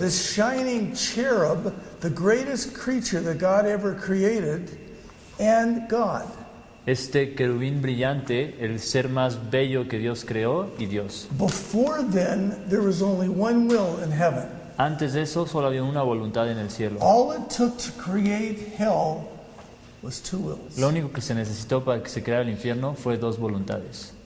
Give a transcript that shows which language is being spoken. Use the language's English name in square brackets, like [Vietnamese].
[English] This shining cherub, the greatest creature that God ever created, and God. [Spanish] Este querubín brillante, el ser más bello que Dios creó, y Dios. [English] Before then, there was only one will in heaven. [Spanish] Antes de eso, solo había una voluntad en el cielo. [English] All it took to create hell was two wills. [Spanish] Lo único que se necesitó para que se creara el infierno fue dos voluntades.